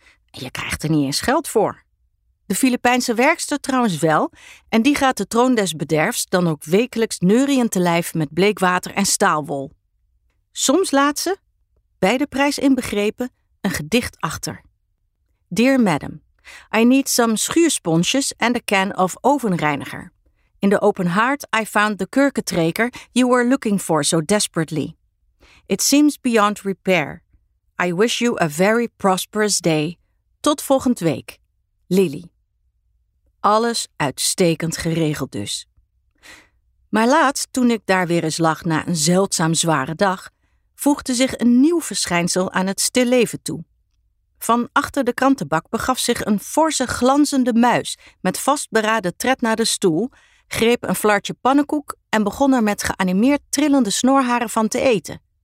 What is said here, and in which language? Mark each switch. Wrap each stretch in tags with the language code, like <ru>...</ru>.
<nl>En je krijgt er niet eens geld voor. De Filipijnse werkster trouwens wel. En die gaat de troon des bederfs dan ook wekelijks neuriënd te lijf met bleekwater en staalwol. Soms laat ze, bij de prijs inbegrepen, een gedicht achter.</nl> <en>Dear madam, I need some schuursponsjes and a can of ovenreiniger. In the open heart I found the kurkentreker you were looking for so desperately. It seems beyond repair. I wish you a very prosperous day.</en> <nl>Tot volgende week. Lily. Alles uitstekend geregeld dus. Maar laatst, toen ik daar weer eens lag na een zeldzaam zware dag, voegde zich een nieuw verschijnsel aan het stil leven toe. Van achter de krantenbak begaf zich een forse glanzende muis met vastberaden tred naar de stoel, greep een flartje pannenkoek en begon er met geanimeerd trillende snorharen van te eten.</nl>